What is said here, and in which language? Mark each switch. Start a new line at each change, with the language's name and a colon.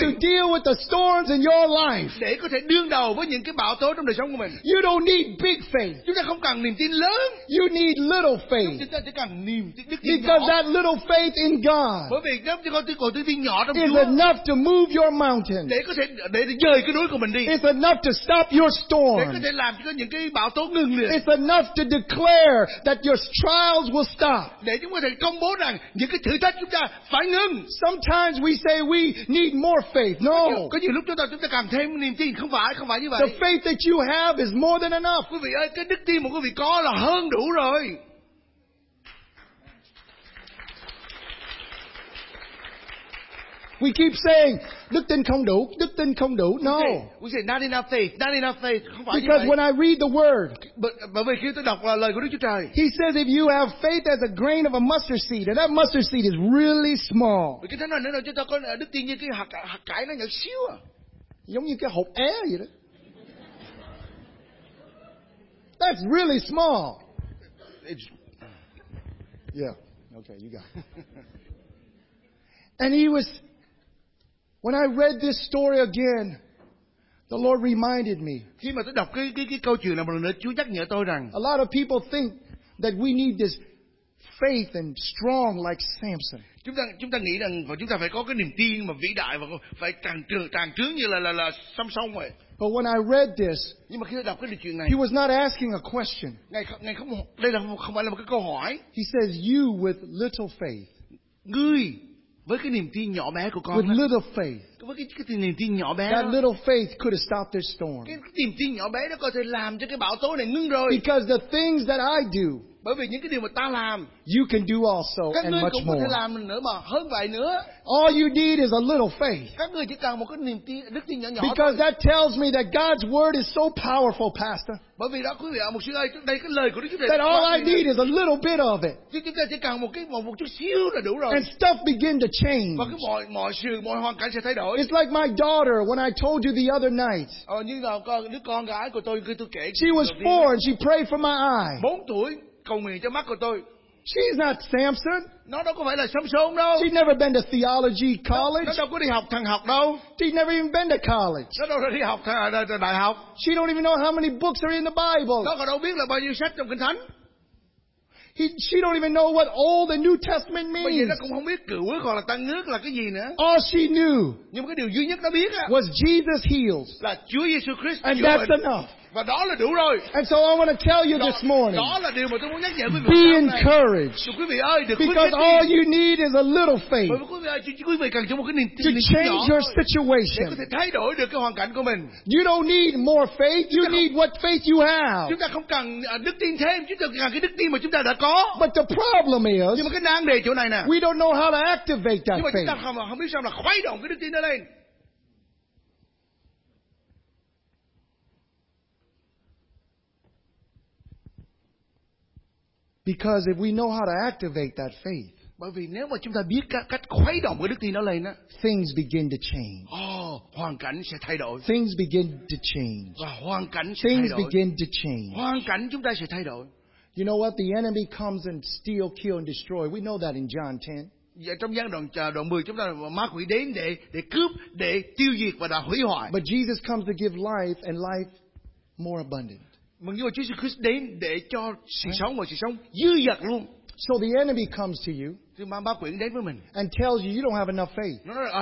English: To deal with the storms in your life.
Vietnamese: Để có thể đương đầu với những cái bão tố trong đời sống của mình.
English: You don't need big faith.
Vietnamese: Chúng ta không cần niềm tin lớn.
English: You need little faith.
Vietnamese: Chúng ta chỉ cần niềm tin đức tin
English: because
Vietnamese: nhỏ.
English: Because that little faith in God.
Vietnamese: Bởi vì nếu chúng ta có đức tin nhỏ trong
English: Chúa. Is enough to move your mountain.
Vietnamese: Để có thể để dời cái núi của mình đi.
English: It's enough to stop your storm.
Vietnamese: Để có thể làm cho những cái bão tố ngừng liền.
English: It's enough to declare that your trials will stop.
Vietnamese: Để chúng ta công bố rằng những cái thử thách chúng ta phải ngừng.
English: Sometimes we say we need more faith. No.
Vietnamese: Có nhiều lúc chúng ta cần thêm niềm tin. Không phải như vậy.
English: The faith that you have is more than enough.
Vietnamese: Quý vị ơi, cái đức tin mà quý vị có là hơn đủ rồi.
English: We keep saying
Vietnamese: đức tin không đủ, đức tin không đủ.
English: No. We say not enough faith, not enough faith.
Vietnamese: Không phải
English: because when I read the word,
Vietnamese: bởi vì khi tôi đọc lời của Đức Chúa Trời,
English: He says if you have faith as a grain of a mustard seed, and that mustard seed is really small.
Vietnamese: Cái thứ này nữa là chúng ta có đức tin như cái hạt cải nó nhỏ xíu à, giống như cái hộp é vậy đó.
English: That's really small. It's... Yeah. Okay, you got it. And he was. When I read this story again, the Lord reminded me.
Vietnamese: Khi mà tôi đọc cái câu chuyện này một lần nữa, Chúa nhắc nhở tôi rằng.
English: A lot of people think that we need this faith and strong like Samson.
Vietnamese: Chúng ta nghĩ rằng chúng ta phải có cái niềm tin mà vĩ đại và phải càng trướng như là Samson vậy.
English: But when I read this,
Vietnamese: nhưng mà khi tôi đọc cái chuyện này,
English: he was not asking a question.
Vietnamese: Ngài không, đây là không phải là một cái câu hỏi.
English: He says, "You with little faith."
Vietnamese: Ngươi với cái niềm tin nhỏ bé của con.
English: With little faith.
Vietnamese: Với cái niềm tin nhỏ bé.
English: That little faith could have stopped this storm.
Vietnamese: Cái niềm tin nhỏ bé đó có thể làm cho cái bão tố này ngưng rồi.
English: Because the things that I do.
Vietnamese: Bởi vì những cái điều mà ta làm.
English: You can do also and much more.
Vietnamese: Các ngươi cũng có thể làm nữa mà hơn vậy nữa.
English: All you need is a little faith.
Vietnamese: Các ngươi chỉ cần một cái niềm tin đức tin nhỏ nhỏ.
English: Because
Vietnamese: thôi.
English: That tells me that God's word is so powerful, Pastor.
Vietnamese: Bởi vì đó quý vị ạ, mục sư ơi, đây cái lời của Đức Chúa Trời.
English: That all I need is a little bit of it.
Vietnamese: Chúng ta chỉ cần một chút xíu là đủ rồi.
English: And stuff begin to change.
Vietnamese: Và cái mọi hoàn cảnh sẽ thay đổi.
English: It's like my daughter when I told you the other night.
Vietnamese: Như là con gái của tôi cứ kể.
English: She was 4 and she prayed for my eye.
Vietnamese: 4 tuổi. Cầu nguyện cho mắt của tôi.
English: She's not Samson.
Vietnamese: Nó đâu có phải là Samson đâu.
English: She's never been to theology college.
Vietnamese: Nó đâu có đi học thần học đâu.
English: She's never even been to college.
Vietnamese: Nó đâu có đi học đại học.
English: She don't even know how many books are in the Bible.
Vietnamese: Nó còn đâu biết là bao nhiêu sách trong Kinh Thánh.
English: She don't even know what Old and New Testament means.
Vietnamese: Bây giờ nó cũng không biết Cựu Ước hoặc là Tân Ước là cái gì nữa.
English: All she knew.
Vietnamese: Nhưng cái điều duy nhất nó biết á.
English: Was Jesus heals.
Vietnamese: Là Chúa Giêsu Christ.
English: And that's enough.
Vietnamese: Và đó là đủ rồi.
English: And so I want to tell you this morning.
Vietnamese: Đó là điều mà tôi muốn nhắc nhở quý vị.
English: Be encouraged.
Vietnamese: Quý vị ơi, đừng
English: because all you need is a little faith.
Vietnamese: Quý vị cần cho một cái niềm tin nhỏ.
English: To change your situation.
Vietnamese: Để có thể thay đổi được cái hoàn cảnh của mình.
English: You don't need more faith. You need what faith you have.
Vietnamese: Chúng ta không cần đức tin thêm. Chúng ta cần cái đức tin mà chúng ta đã có.
English: But the problem is.
Vietnamese: Nhưng mà cái nan đề chỗ này nè.
English: We don't know how to activate that faith.
Vietnamese: Nhưng mà chúng ta không biết sao là khuấy động cái đức tin đó lên.
English: Because if we know how to activate that faith,
Vietnamese: bởi vì nếu mà chúng ta biết cách khuấy động cái đức tin đó lên á,
English: things begin to change.
Vietnamese: Oh, hoàn cảnh sẽ thay đổi.
English: Things begin to change.
Vietnamese: Và hoàn cảnh sẽ
English: things
Vietnamese: thay đổi.
English: Begin to change.
Vietnamese: Hoàn cảnh chúng ta sẽ thay đổi.
English: You know what? The enemy comes and steal, kill and destroy. We know that in John 10.
Vietnamese: Và trong Giăng đoạn 10 chúng ta ma quỷ đến để cướp, để tiêu diệt và đã hủy hoại.
English: But Jesus comes to give life and life more abundant.
Vietnamese: Mà Chúa Giêsu Christ đến để cho sự sống và sự sống dư dật luôn.
English: So the enemy comes to you and tells you you don't have enough faith.